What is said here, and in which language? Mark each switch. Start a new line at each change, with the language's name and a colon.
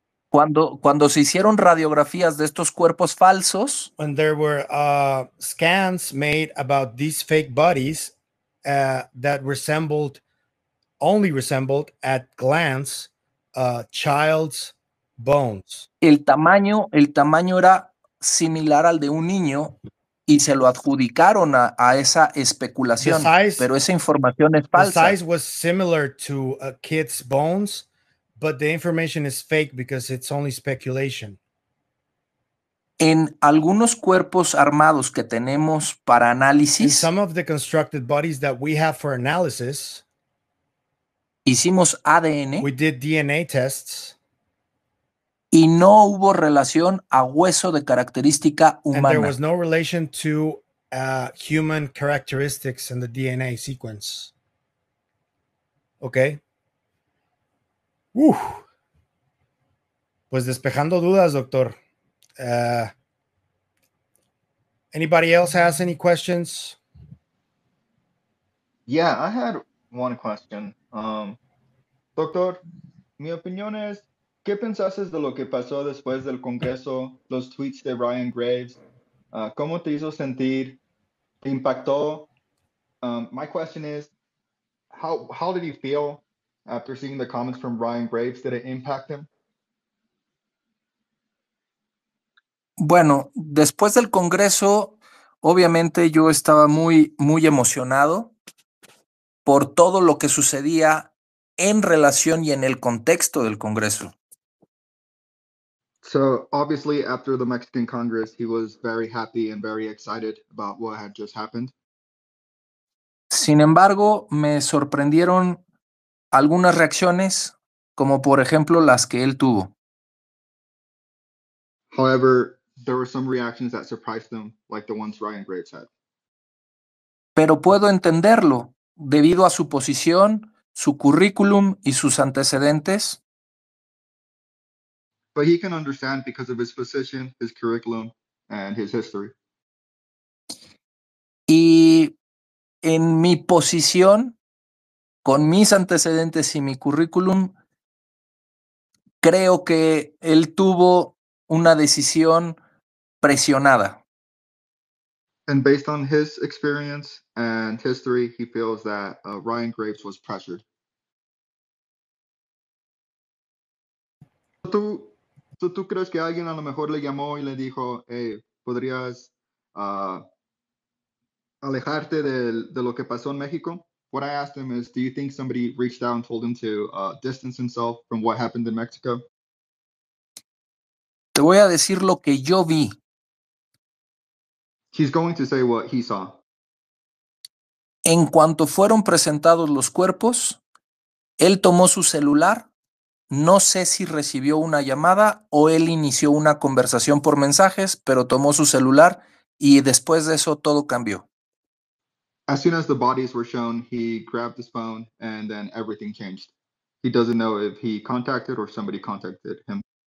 Spanish: cuando se hicieron radiografías de estos cuerpos falsos,
English: when there were scans made about these fake bodies that resembled at glance child's bones.
Spanish: El tamaño era similar al de un niño y se lo adjudicaron a esa especulación, pero esa información es falsa.
English: The size was similar to a kid's bones, but the information is fake because it's only speculation.
Spanish: En algunos cuerpos armados que tenemos para análisis,
English: some of the constructed bodies that we have for analysis,
Spanish: hicimos ADN.
English: We did DNA tests.
Spanish: Y no hubo relación a hueso de característica humana.
English: And there was no relation to human characteristics in the DNA sequence.
Spanish: Okay. Uf. Pues despejando dudas, doctor.
English: Anybody else has any questions? Yeah, I had one question.
Spanish: Doctor, mi opinión es, ¿qué pensaste de lo que pasó después del Congreso, los tweets de Ryan Graves? ¿Cómo te hizo sentir? ¿Te impactó?
English: My question is, how did he feel after seeing the comments from Ryan Graves? Did it impact him?
Spanish: Bueno, después del Congreso, obviamente yo estaba muy, muy emocionado por todo lo que sucedía en relación y en el contexto del Congreso.
English: So obviously after the Mexican Congress, he was very happy and very excited about what had just happened.
Spanish: Sin embargo, me sorprendieron algunas reacciones, como por ejemplo las que él tuvo.
English: However, there were some reactions that surprised them, like the ones Ryan Graves had.
Spanish: Pero puedo entenderlo, debido a su posición, su currículum y sus antecedentes.
English: But he can understand because of his position, his curriculum, and his history.
Spanish: Y en mi posición, con mis antecedentes y mi currículum, creo que él tuvo una decisión presionada.
English: And based on his experience and history, he feels that Ryan Graves was pressured.
Spanish: ¿Tú crees que alguien a lo mejor le llamó y le dijo, hey, podrías alejarte de lo que pasó en México?
English: What I asked him is, do you think somebody reached out and told him to distance himself from what happened in Mexico?
Spanish: Te voy a decir lo que yo vi.
English: He's going to say what he saw.
Spanish: En cuanto fueron presentados los cuerpos, él tomó su celular. No sé si recibió una llamada o él inició una conversación por mensajes, pero tomó su celular y después de eso todo cambió.
English: As soon as the bodies were shown, he grabbed his phone and then everything changed. He doesn't know if he contacted or somebody contacted him.